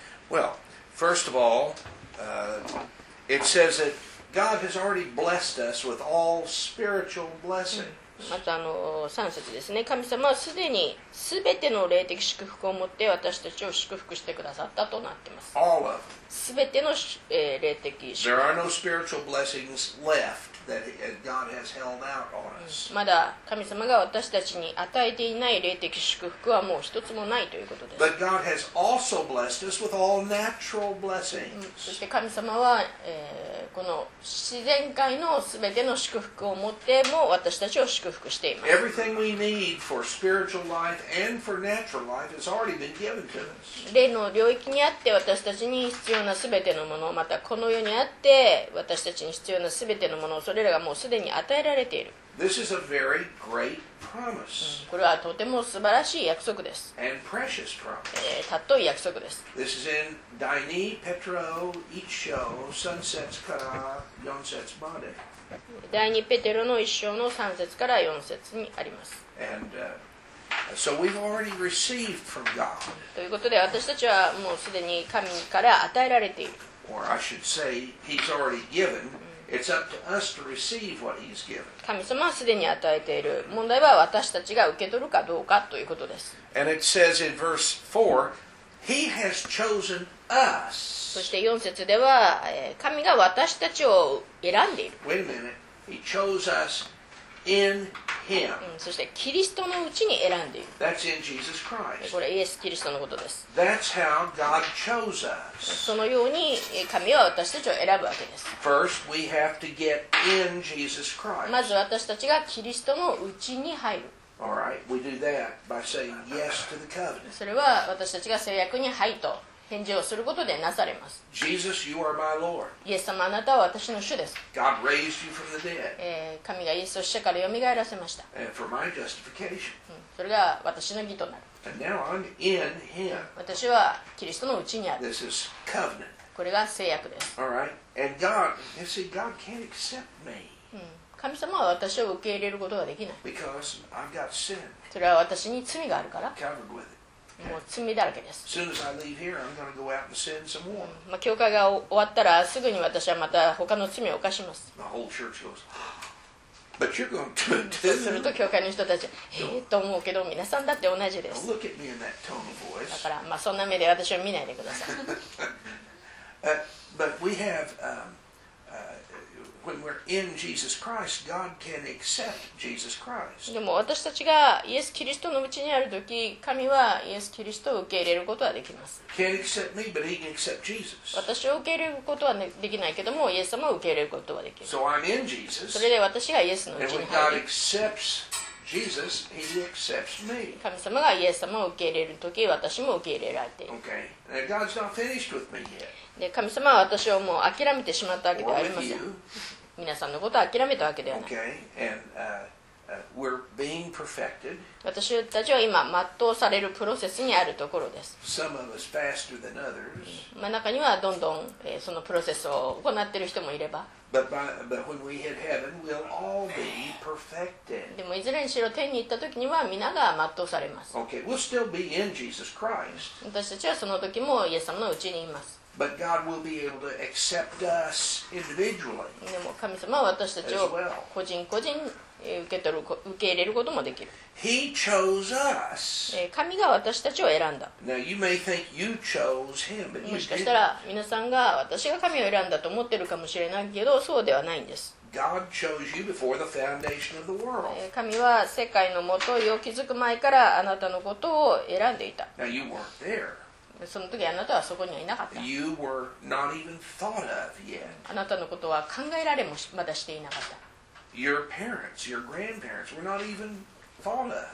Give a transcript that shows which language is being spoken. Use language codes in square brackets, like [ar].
[en] Well, first of all, it says that God has already blessed us with all spiritual blessings. [ja] また3節ですね。神様はすでにすべての霊的祝福を持って私たちを祝福してくださったとなっています。 [en] All of them. [ja] すべての霊的祝福。 [en] There are no spiritual blessings left that God has held out on us. [ja] まだ神様が私たちに与えていない霊的祝福はもう一つもないということです。 [en] But God has also blessed us with all natural blessings. [ja] そして神様は、この自然界のすべての祝福を持っても私たちを祝福しています。 [en] Everything we need for spiritual life and for natural life has already been given to us. [ja] 霊の領域にあって私たちに必要なすべてのもの、またこの世にあって私たちに必要なすべてのもの、それらがもうすでに与えられている。 [en] This is a very great promise. [ja] これはとても素晴らしい約束です。 [en] And precious promise. [ja] たっとい約束です。 This is in Dini, Petro, Icho, Sunsets, Kara, Yonsets, Bade. 第二ペテロの一章の3節から4節にあります。 [en] And, so we've already received from God. [ja] ということで私たちはもうすでに神から与えられている。 [en] Or I should say, He's already given. It's up to us to receive what he's given. [ja] 神様はすでに与えている。問題は私たちが受け取るかどうかということです。 [en] And it says in verse 4, he has chosen us. [ja] そして4節では神が私たちを選んでいる。 [en] Wait a minute. He chose us in him. [ja] そしてキリストのうちに選んでいる。 [en] That's in Jesus Christ. [ja] これイエス・キリストのことです。 [en] That's how God chose us. [ja] そのように神は私たちを選ぶわけです。 [en] First, we have to get in Jesus Christ. [ja] まず私たちがキリストのうちに入る。 [en] All right. We do that by saying yes to the covenant. [ja] それは私たちが契約に入ると返事をすることでなされます。 [en] Jesus, you are my Lord. [ja] イエス様、あなたは私の主です。 [en] God raised you from the dead. [ja] 神がイエスを死者からよみがえらせました。 [en] And for my justification. [ja] それが私の義となる。 [en] And now I'm in him. [ja] 私はキリストのうちにある。 [en] This is covenant. [ja] これが契約です。 [en] All right. And God, you see, God can't accept me. [ja] 神様は私を受け入れることができない。 [en] Because I've got sin. [ja] それは私に罪があるから。 [en] Covered with it. [ja] もう罪だらけです。 [en] As soon as I leave here, I'm going to go out and sin some more. [ja] 教会が終わったらすぐに私はまた他の罪を犯します。 [en] My whole church goes. But you're going to do that. [ja] すると教会の人たちは、と思うけど皆さんだって同じです。 [en] Look at me in that tone of voice. [ja] だから、そんな目で私を見ないでください。 [en] But we have, when we're in Jesus Christ, God can accept Jesus Christ. [ja] でも私たちがイエス・キリストのうちにあるとき、神はイエス・キリストを受け入れることはできます。 [en] Can't accept me, but he can accept Jesus. [ja] 私を受け入れることはできないけども、イエス様を受け入れることはできる。 [en] So I'm in Jesus. [ja] それで私がイエスのうちに入る。 [en] And when God accepts Jesus, he accepts me. [ja] 神様がイエス様を受け入れる時、私も受け入れられている。 [en] Okay. And God's not finished with me yet. [ja] で、神様は私をもう諦めてしまったわけではありません。皆さんのことを諦めたわけではない。 [en] Okay. And, we're being perfected. [ja] 私たちは今、全うされるプロセスにあるところです。 [en] Some of us faster than others. [ja] 中にはどんどん、そのプロセスを行っている人もいれば。 [en] But when we hit heaven, we'll all be perfected. [ja] でもいずれにしろ天に行った時には皆が全うされます。 [en] Okay, we'll still be in Jesus Christ. [ja] 私たちはその時もイエス様のうちにいます。 [en] But God will be able to accept us individually. [ja] でも神様は私たちを個人個人受け入れることもできる。 [en] He chose us. [ja] 神が私たちを選んだ。 [en] Now you may think you chose him, but [ja] もしかしたら皆さんが私が神を選んだと思ってるかもしれないけど、そうではないんです。 [en] God chose you before the foundation of the world. [ja] 神は世界のもとを築く前からあなたのことを選んでいた。 [en] Now you weren't there. [ja] その時あなたはそこにはいなかった。 [en] You were not even thought of yet. [ja] あなたのことは考えられもまだしていなかった。 [en] Your parents, your grandparents were not even thought of yet.